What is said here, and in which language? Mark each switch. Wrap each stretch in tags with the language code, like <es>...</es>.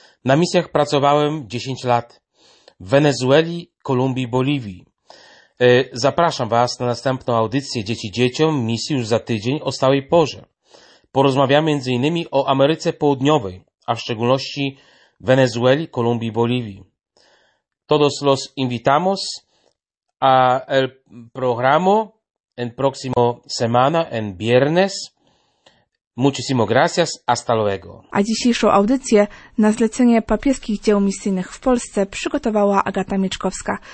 <pl>Na misjach pracowałem 10 lat. W Wenezueli, Kolumbii, Boliwii. Zapraszam Was na następną audycję Dzieci Dzieciom Misji już za tydzień o stałej porze. Porozmawiamy m.in. o Ameryce Południowej, a w szczególności Wenezueli, Kolumbii, Boliwii.</pl> <es>Todos los invitamos a el programa en próximo semana, en viernes. Muchísimo gracias. Hasta luego.</es> <pl>A dzisiejszą audycję na zlecenie papieskich dzieł misyjnych w Polsce przygotowała Agata Mieczkowska.</pl>